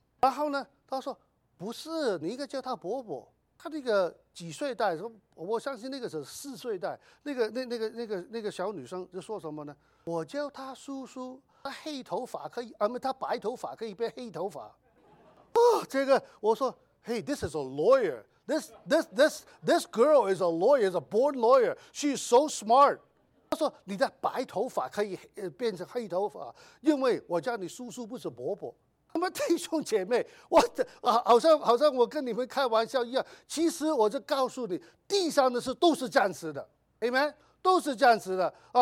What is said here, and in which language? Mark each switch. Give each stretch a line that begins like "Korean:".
Chinese: 然后呢，他说不是，你应该叫他伯伯。他那个几岁代，我相信那个是四岁代，那个小女生就说什么呢？我叫他叔叔，他黑头发可以，他白头发可以变黑头发。这个我说
English: ，Hey, this is a lawyer. This girl is a lawyer, is a born lawyer. She's so smart.
Chinese: 他说你的白头发可以变成黑头发，因为我叫你叔叔不是伯伯。他们弟兄姐妹，好像我跟你们开玩笑一样。其实我就告诉你，地上的事都是暂时的 ，Amen， 都是暂时的。